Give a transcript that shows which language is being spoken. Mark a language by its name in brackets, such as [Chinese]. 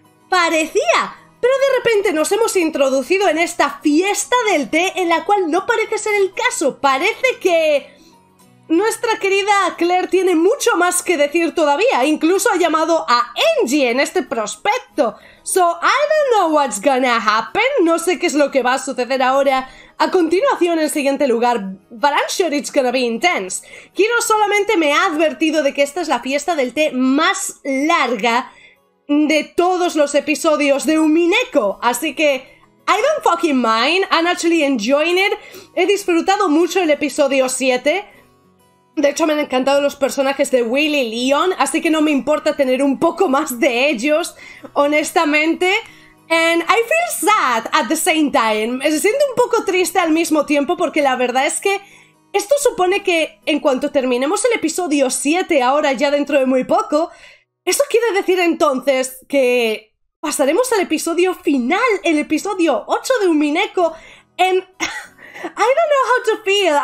[Spanish] Parecía, pero de repente nos hemos introducido en esta fiesta del té en la cual no parece ser el caso. Parece que nuestra querida Claire tiene mucho más que decir todavía. Incluso ha llamado a Angie en este prospecto. [English] So, I don't know what's gonna happen. [Spanish] No sé qué es lo que va a suceder ahora. A continuación, en siguiente lugar, [English] but I'm sure it's gonna be intense. [Spanish] Kiro solamente me ha advertido de que esta es la fiesta del té más larga de todos los episodios de Umineko. Así que [English] I don't fucking mind. I'm actually enjoying it. [Spanish] He disfrutado mucho el episodio 7. De hecho, me han encantado los personajes de Will y Leon, así que no me importa tener un poco más de ellos, honestamente. [English] And I feel sad at the same time. [Spanish] Me siento un poco triste al mismo tiempo, porque la verdad es que esto supone que en cuanto terminemos el episodio 7, ahora ya dentro de muy poco, eso quiere decir entonces que pasaremos al episodio final, el episodio 8 de Umineko, en [English] I don't know how to feel.